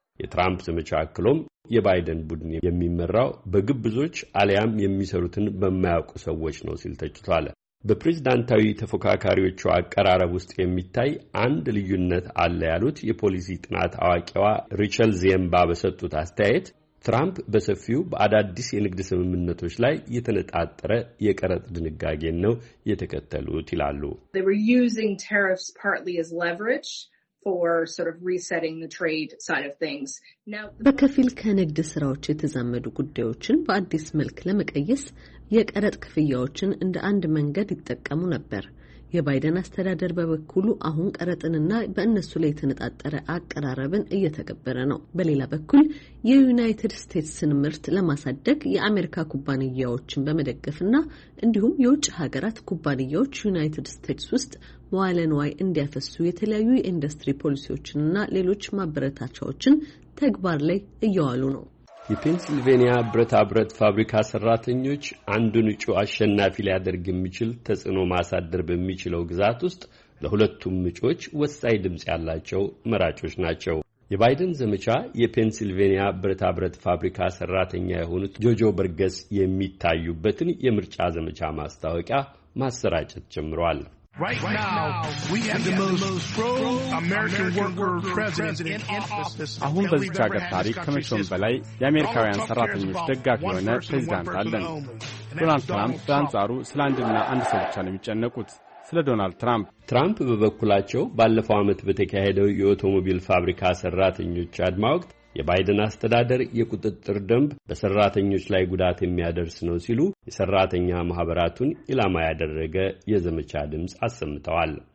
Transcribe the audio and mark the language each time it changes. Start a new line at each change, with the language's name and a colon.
Amharic: የትራምፕ ዘመቻ አክሎም የባይደን ቡድን የሚመራው በግብዞች አሊያም የሚሰሩትን በማያውቁ ሰዎች ነው ሲል ተችቷል። በፕሬዝዳንታዊ ተፎካካሪዎቹ አቀራረብ ውስጥ የሚታይ አንድ ልዩነት አለ ያሉት የፖሊሲ ጥናት አዋቂዋ ሪቸል ዚምባ በሰጡት አስተያየት ትራምፕ በሰፊው በአዳዲስ የንግድ ስምምነቶች ላይ የተነጣጠረ የቀረጥ ድንጋጌን ነው የተከተሉት ይላሉ።
English: They were using tariffs partly as leverage for sort of resetting the trade side of things.
Amharic: በከፊል ከንግድ ስራዎች የተዛመዱ ጉዳዮችን በአዲስ መልክ ለመቀየስ የቀረጥ ክፍያዎችን እንደ አንድ መንገድ ይጠቀሙ ነበር። የባይደን አስተዳደር በበኩሉ አሁን ቀረጥንና በእነሱ ላይ የተነጣጠረ አቀራረብን እየተገበረ ነው። በሌላ በኩል የዩናይትድ ስቴትስን ምርት ለማሳደግ የአሜሪካ ኩባንያዎችን በመደገፍና እንዲሁም የውጭ ሀገራት ኩባንያዎች ዩናይትድ ስቴትስ ውስጥ መዋለ ንዋይ እንዲያፈሱ የተለያዩ የኢንዱስትሪ ፖሊሲዎችንና ሌሎች ማበረታቻዎችን ተግባር ላይ እየዋሉ ነው። የፔንሲልቬኒያ ብረታ ብረት ፋብሪካ ሰራተኞች አንዱን እጩ አሸናፊ ሊያደርግ የሚችል ተጽዕኖ ማሳደር በሚችለው ግዛት ውስጥ ለሁለቱም እጩዎች ወሳኝ ድምፅ ያላቸው መራጮች ናቸው። የባይደን ዘመቻ የፔንሲልቬኒያ ብረታ ብረት ፋብሪካ ሰራተኛ የሆኑት ጆጆ በርገስ የሚታዩበትን የምርጫ ዘመቻ ማስታወቂያ ማሰራጨት ጀምሯል።
English: Right, right now, we have the most pro-American worker president in office.
Amharic: አሁን በዚህ ሀገር ታሪክ ከመቼውም በላይ የአሜሪካውያን ሰራተኞች ደጋፊ የሆነ ፕሬዚዳንት አለን። ዶናልድ ትራምፕ በአንጻሩ ስለ አንድና አንድ ሰው ብቻ ነው የሚጨነቁት፣ ስለ ዶናልድ ትራምፕ። ትራምፕ በበኩላቸው ባለፈው ዓመት በተካሄደው የኦቶሞቢል ፋብሪካ ሰራተኞች አድማ ወቅት የባይደን አስተዳደር የቁጥጥር ደንብ በሰራተኞች ላይ ጉዳት የሚያደርስ ነው ሲሉ የሰራተኛ ማህበራቱን ኢላማ ያደረገ የዘመቻ ድምጽ አሰምተዋል።